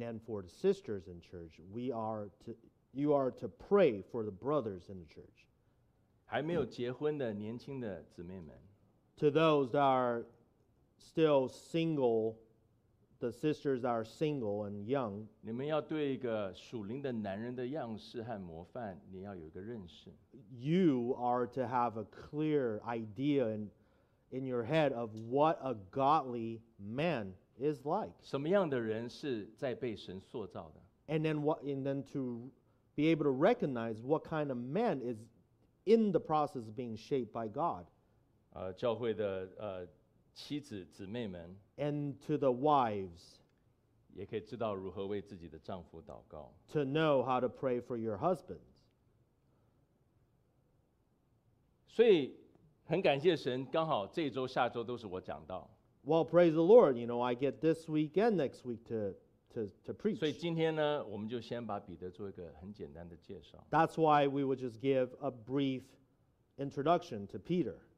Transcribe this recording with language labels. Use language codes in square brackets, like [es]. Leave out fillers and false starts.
[en] then for the sisters in church, you are to pray for the brothers in the church. [zh] 还没有结婚的年轻的姊妹们。To [en] those that are still single, the sisters are single and young. [zh] 你们要对一个属灵的男人的样式和模范，你要有一个认识。 [en] You are to have a clear idea in your head of what a godly man is like. [zh] 什么样的人是在被神塑造的? [en] And then what, and then to be able to recognize what kind of man is in the process of being shaped by God. [zh] 教会的妻子姊妹们, [en] and to the wives, [zh] 也可以知道如何为自己的丈夫祷告, [en] to know how to pray for your husbands. [zh] 所以很感谢神，刚好这一周、下周都是我讲到。 [en] Well, praise the Lord, you know, I get this week and next week to preach. [zh] 所以今天呢，我们就先把彼得做一个很简单的介绍。That's [en] why we would just give a brief introduction to Peter.